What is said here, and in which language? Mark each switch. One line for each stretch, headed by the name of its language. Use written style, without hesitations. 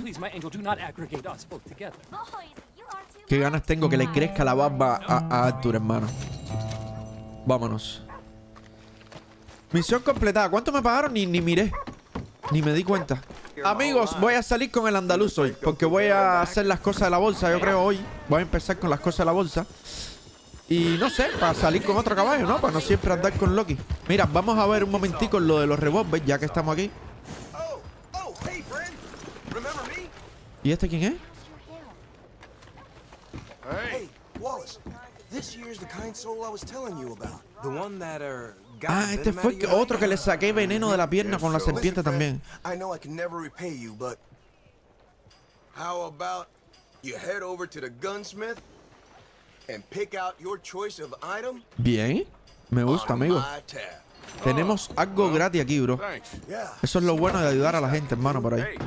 English: Please, my angel, do not aggregate us both together.
Spanish: Qué ganas tengo que le crezca la barba a Arthur, hermano. Vámonos. Misión completada. ¿Cuánto me pagaron? Ni miré. Ni me di cuenta. Amigos, voy a salir con el andaluz hoy. Porque voy a hacer las cosas de la bolsa, yo creo, hoy. Voy a empezar con las cosas de la bolsa. Y no sé, para salir con otro caballo, ¿no? Para no siempre andar con Loki. Mira, vamos a ver un momentico lo de los revólveres, ya que estamos aquí. ¿Y este quién es?
English: Hey, Wallace. This year's the kind soul I was telling you about. The one that
Spanish: Ah, este fue otro que le saqué veneno de la pierna con la serpiente también.
English: I know I can never repay you, but how about you head over to the gunsmith and pick out your choice of item?
Spanish: Bien. Me gusta, amigo. Tenemos algo gratis aquí, bro. Eso es lo bueno de ayudar a la gente, hermano, por ahí.